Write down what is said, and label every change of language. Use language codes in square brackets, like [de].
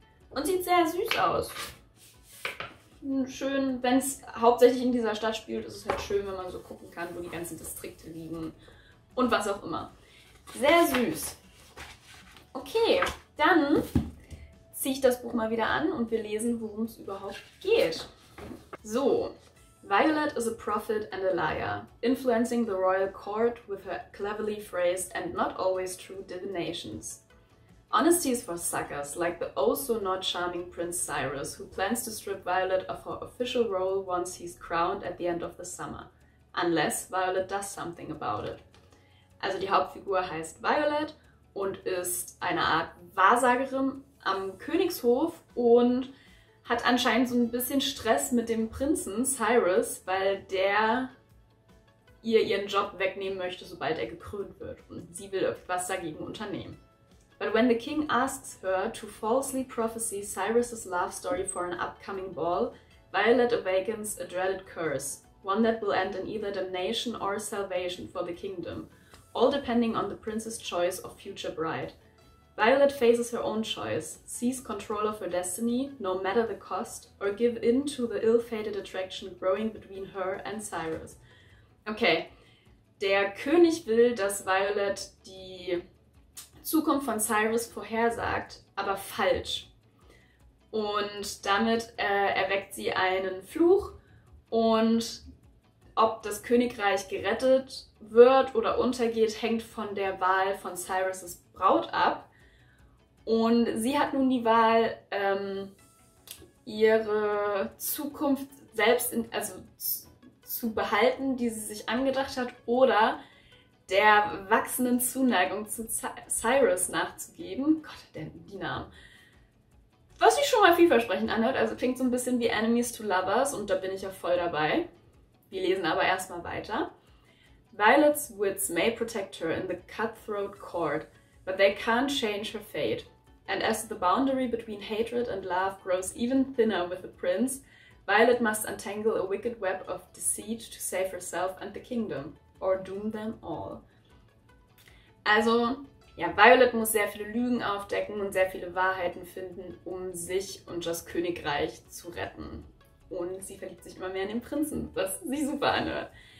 [de] Und sieht sehr süß aus. Schön, wenn es hauptsächlich in dieser Stadt spielt, ist es halt schön, wenn man so gucken kann, wo die ganzen Distrikte liegen und was auch immer. Sehr süß. Okay, dann ziehe ich das Buch mal wieder an und wir lesen, worum es überhaupt geht. So, [en] Violet is a prophet and a liar, influencing the royal court with her cleverly phrased and not always true divinations. Honesty is for suckers, like the oh-so-not-charming Prince Cyrus, who plans to strip Violet of her official role once he's crowned at the end of the summer. Unless Violet does something about it. [de] Also die Hauptfigur heißt Violet und ist eine Art Wahrsagerin am Königshof und hat anscheinend so ein bisschen Stress mit dem Prinzen Cyrus, weil der ihr ihren Job wegnehmen möchte, sobald er gekrönt wird. Und sie will etwas dagegen unternehmen. [en] But when the king asks her to falsely prophesy Cyrus's love story for an upcoming ball, Violet awakens a dreaded curse, one that will end in either damnation or salvation for the kingdom, all depending on the prince's choice of future bride. Violet faces her own choice, seize control of her destiny, no matter the cost, or give in to the ill-fated attraction growing between her and Cyrus. [de] Okay, der König will, dass Violet die Zukunft von Cyrus vorhersagt, aber falsch. Und damit erweckt sie einen Fluch und ob das Königreich gerettet wird oder untergeht, hängt von der Wahl von Cyrus' Braut ab. Und sie hat nun die Wahl, ihre Zukunft selbst zu behalten, die sie sich angedacht hat, oder der wachsenden Zuneigung zu Cyrus nachzugeben. Gott, die Namen. Was sich schon mal vielversprechend anhört, also klingt so ein bisschen wie Enemies to Lovers und da bin ich ja voll dabei. Wir lesen aber erstmal weiter. [en] Violet's wits may protect her in the cutthroat court, but they can't change her fate. And as the boundary between hatred and love grows even thinner with the prince, Violet must untangle a wicked web of deceit to save herself and the kingdom. Or doom them all. [de] Also, ja, Violet muss sehr viele Lügen aufdecken und sehr viele Wahrheiten finden, um sich und das Königreich zu retten. Und sie verliebt sich immer mehr in den Prinzen, was sie super anhört.